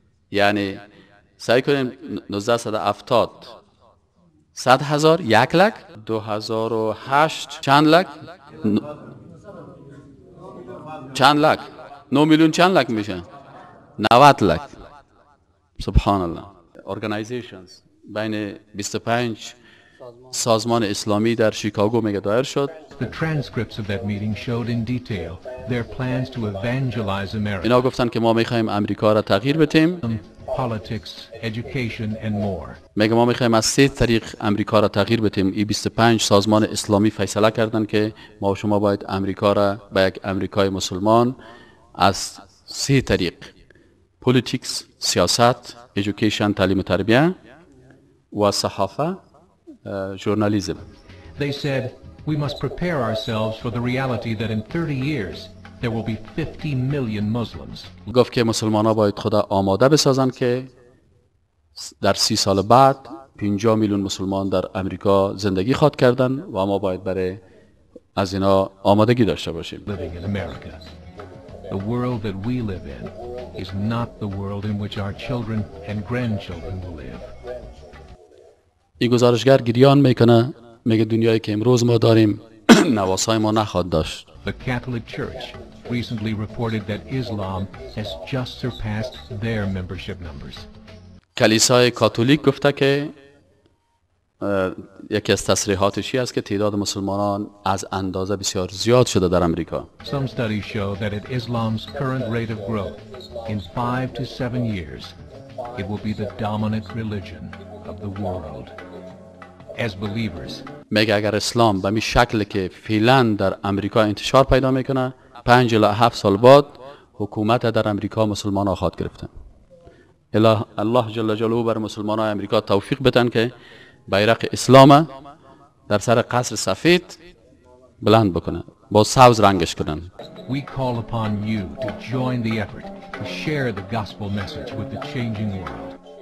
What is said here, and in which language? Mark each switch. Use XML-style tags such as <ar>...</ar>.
<fa>یعنی سعی کنیم 1970 100 هزار، 1 لک، 2008 چند لک؟ چند لک؟ 9 میلیون چند لک میشه؟ 90 لک. سبحان الله. ارگانیزیشنز بین 25 سازمان اسلامی در شیکاگو میگه دایر شد.</fa> <en>The transcripts of that meeting showed in detail their plans to evangelize America.</en> <fa>اینا گفتن که ما میخواهیم آمریکا را تغییر بدیم.</fa> <en>Politics, education and more.</en> <fa>میگه ما میخواهیم از سه طریق آمریکا را تغییر بدیم. E25 سازمان اسلامی فیصله کردن که ما و شما باید آمریکا را به یک آمریکای مسلمان از سه طریق politics, سیاست, education تعلیم و تربیت و صحافه journalism.</fa> <en>They said we must prepare ourselves for the reality that in 30 years there will be 50 million Muslims.</en> <fa>گفت که مسلمان‌ها باید خدا آماده بسازن که در 30 سال بعد 50 میلیون مسلمان در آمریکا زندگی خواهد کردن و ما باید برای از اینا آمادگی داشته باشیم.</fa> <en>Living in America. The world that we live in is not the world in which our children and grandchildren will live.</en> <fa>این گزارشگر گریان میکنه، میگه دنیایی که امروز ما داریم نواسای ما نخواهد داشت.</fa> <en>The Catholic Church recently reported that Islam has just surpassed their membership numbers.</en> <fa>کلیسای کاتولیک گفته که یکی از تصریحاتشی است که تعداد مسلمانان از اندازه بسیار زیاد شده در امریکا.</fa> <en>Some studies show that at Islam's current rate of growth in 5 to 7 years it will be the dominant religion of the world. As believers,</en> <fa>میگه اگر اسلام به می شکل که فعلا در امریکا انتشار پیدا میکنه 5 الی 7 سال بعد حکومت در امریکا مسلمان ها خواهد گرفتن. الله جل جلاله بر مسلمان های امریکا توفیق بدن که بیرق اسلام در سر قصر سفید بلند بکنه، با سبز رنگش کنن.</fa> <en>We call upon you to join the effort to share the gospel message with the changing world.</en>